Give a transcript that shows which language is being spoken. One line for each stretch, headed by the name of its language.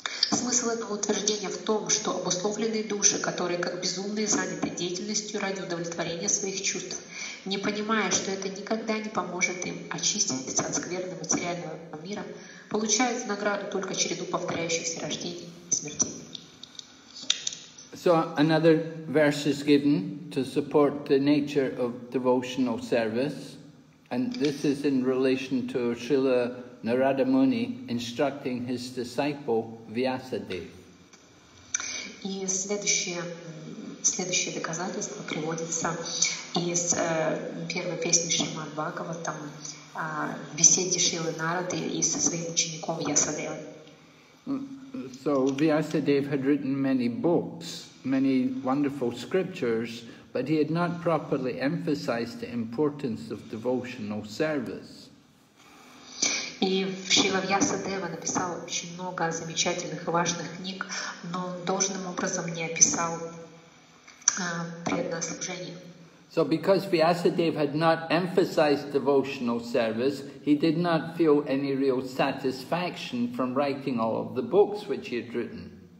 Russian: Смысл этого утверждения в том, что обусловленные души, которые как безумные заняты деятельностью ради удовлетворения своих чувств, не понимая, что это никогда не поможет им очиститься от скверны материального мира, получают в награду только череду повторяющихся рождений и смертей.
English: So another verse is given to support the nature of devotional service, and this is in relation to Srila Narada Muni instructing his disciple Vyasadeva.
Russian: И следующее доказательство приводится из первой песни Шримад Бхагаватам, беседе Шрилы Нарады и со своим учеником Вьясадевой.
English: So Vyasadeva had written many books, many wonderful scriptures, but he had not properly emphasized the importance of devotional service.
Russian: И Шрила Вьясадева написал очень много замечательных и важных книг, но он должным образом не описал преданное служение.
English: So because Vyasadeva had not emphasized devotional service, he did not feel any real satisfaction from writing all of the books which he had written.